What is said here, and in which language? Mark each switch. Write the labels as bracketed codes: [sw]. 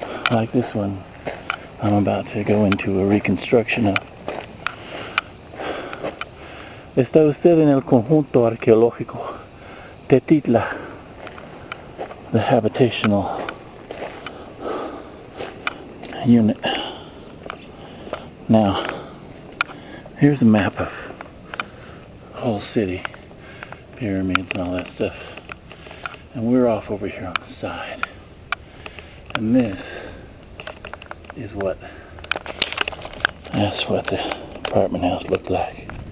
[en] like this one I'm about to go into a reconstruction of. [es] ¿Está usted en el conjunto arqueológico Tetitla, [en] the habitational unit? Now, here's a map of the whole city, pyramids and all that stuff. And we're off over here on the side. And this is what, that's what the apartment house looked like.